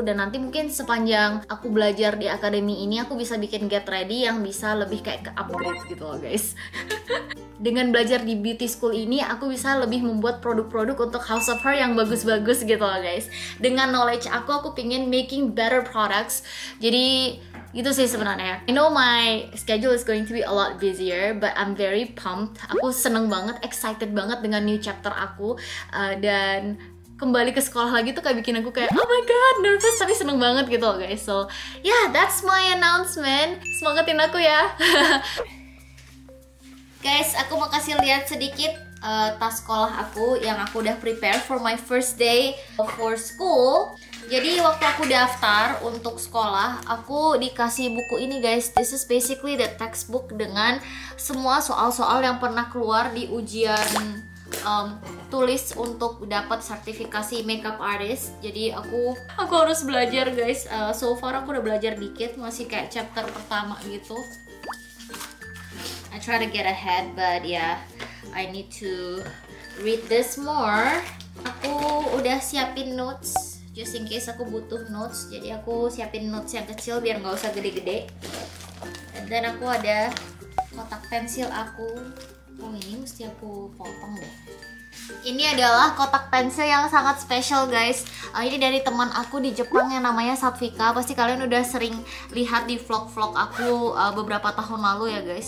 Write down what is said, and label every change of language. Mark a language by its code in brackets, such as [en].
[id] Dan nanti mungkin sepanjang aku belajar di akademi ini, aku bisa bikin get ready yang bisa lebih kayak ke upgrade gitu loh guys. Dengan belajar di beauty school ini, aku bisa lebih membuat produk-produk untuk House of Her yang bagus-bagus gitu loh guys. Dengan knowledge aku pingin [en] making better products. [id] Jadi gitu sih sebenarnya. [en] I know my schedule is going to be a lot busier, but I'm very pumped. [id] Aku seneng banget, excited banget dengan [en] new chapter [id] aku. Dan kembali ke sekolah lagi tuh kayak bikin aku kayak, [en] oh my god, [id] nervous tapi seneng banget gitu loh guys. [en] So yeah, that's my announcement. [id] Semangatin aku ya. Guys, aku mau kasih lihat sedikit tas sekolah aku yang aku udah prepare [en] for my first day for school. [id] Jadi waktu aku daftar untuk sekolah, aku dikasih buku ini guys. [en] This is basically the textbook [id] dengan semua soal-soal yang pernah keluar di ujian tulis untuk dapat sertifikasi makeup artist. Jadi aku harus belajar guys. [en] So far [id] aku udah belajar dikit, masih kayak chapter pertama gitu. [en] I try to get ahead, but yeah, I need to read this more. [id] Aku udah siapin notes, [en] just in case [id] aku butuh notes. Jadi aku siapin notes yang kecil biar gak usah gede-gede. Dan aku ada kotak pensil aku. Oh ini mesti aku potong deh. Ini adalah kotak pensil yang sangat special guys. Ini dari teman aku di Jepang yang namanya Satvika. Pasti kalian udah sering lihat di vlog-vlog aku beberapa tahun lalu ya guys.